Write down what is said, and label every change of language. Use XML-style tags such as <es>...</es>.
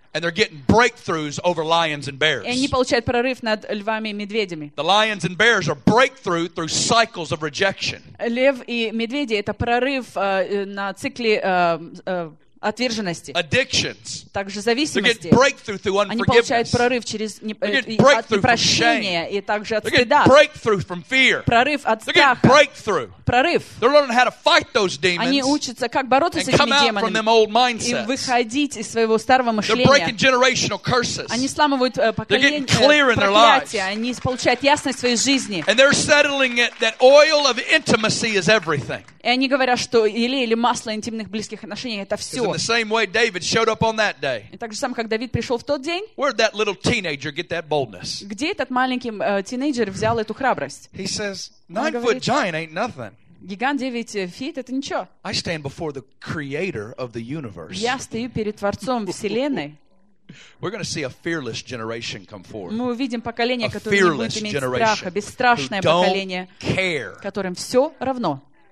<en>And they're getting breakthroughs over lions and bears.</en> <ru>И они получают прорыв над львами и медведями.</ru> <en>The lions and bears are breakthrough through cycles of rejection.</en> <ru>Лев и медведи это прорыв на цикле отверженности.</ru> <en>Addictions.</en> <ru>Также зависимости.</ru> <en>They're getting breakthrough through unforgiveness.</en> <ru>Они получают прорыв через непрощение и также от стыда.</ru> <en>They're getting breakthrough from fear.</en> <ru>Прорыв от страха.</ru> <en>They're getting breakthrough.</en> <ru>Прорыв.</ru> <en>They're learning how to fight those demons.</en> <ru>Они учатся, как бороться с этими демонами и выходить из своего старого мышления.</ru> <en>They're breaking generational curses.</en> <ru>Они сломывают поколение проклятия. Они получают ясность в своей жизни.</ru> <en>And they're settling it that oil of intimacy is everything.</en> <ru>И они говорят, что елей или масло интимных близких отношений это все.</ru> <en>In the same way David showed up on that day.</en> <ru>И так же самое, как Давид пришел в тот день.</ru> <en>Where did that little teenager get that boldness?</en> <ru>Где этот маленький тинейджер взял эту храбрость?</ru> <en>He says, 9-foot giant ain't nothing.</en> <ru>Гигант 9 feet это ничего.</ru> <en>I stand before the creator of the universe.</en> <ru>Я стою перед творцом вселенной.</ru> <en>We're going to see a fearless generation come forward.</en> <ru>Мы увидим поколение, которое будет иметь страха, бесстрашное поколение, которым все равно.</ru>